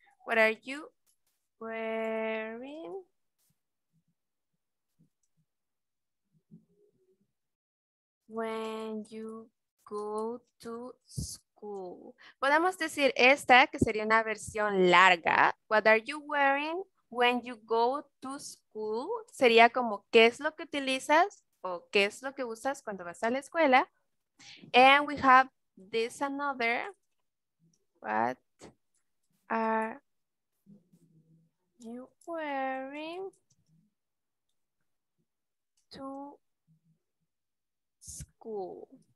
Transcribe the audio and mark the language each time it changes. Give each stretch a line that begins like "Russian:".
English: What are you wearing? When you go to school.
Spanish: Podemos decir esta, que sería una versión larga.
English: What are you wearing when you go to school?
Spanish: Sería como, ¿qué es lo que utilizas? O, ¿qué es lo que usas cuando vas a la escuela?
English: And we have this another. What are you wearing to school?